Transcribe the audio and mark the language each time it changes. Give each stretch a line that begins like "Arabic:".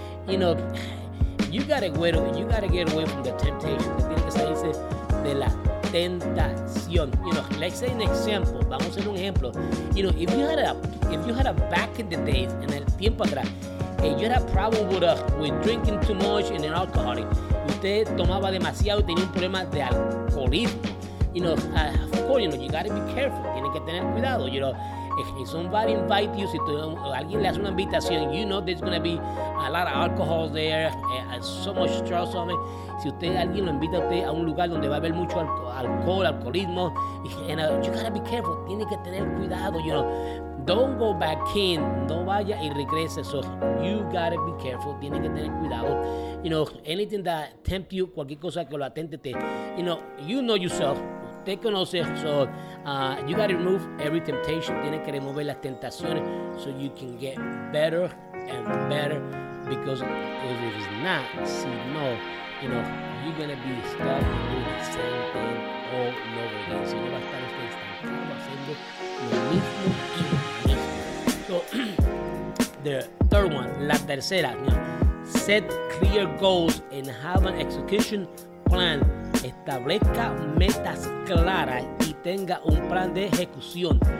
English: You know, you gotta get away from the temptation.
Spanish: Usted tiene que salirse de la tentación.
English: You know, let's say an example.
Spanish: Vamos a hacer un ejemplo.
English: You know, if you had a back in the days,
Spanish: en el tiempo atrás,
English: you had a problem with drinking too much and an alcoholic.
Spanish: Usted tomaba demasiado y tenía un problema de alcoholismo.
English: You know, of course, you know, you gotta be careful.
Spanish: Tiene que tener cuidado,
English: you know. If somebody invites you,
Spanish: alguien le hace una invitación,
English: you know there's going to be a lot of alcohol there, so much stress on it.
Spanish: Si alguien lo invita a usted a un lugar donde va a haber mucho alcohol, alcoholismo,
English: you got to be careful.
Spanish: Tiene que tener cuidado,
English: you know. Don't go back in.
Spanish: No vaya y regrese.
English: So you got to be careful.
Spanish: Tiene que tener cuidado.
English: You know, anything that tempt you,
Spanish: cualquier cosa que lo atente,
English: you know yourself.
Spanish: Te conoces,
English: so you gotta remove every temptation.
Spanish: Tienes que remover las tentaciones
English: so you can get better and better, because if it is not, you're gonna be stuck doing the same thing all over again. So you're gonna be stuck
Spanish: haciendo lo mismo y lo mismo.
English: So the third one,
Spanish: la tercera,
English: set clear goals and have an execution plan.
Spanish: Establezca metas claras y tenga un plan de ejecución.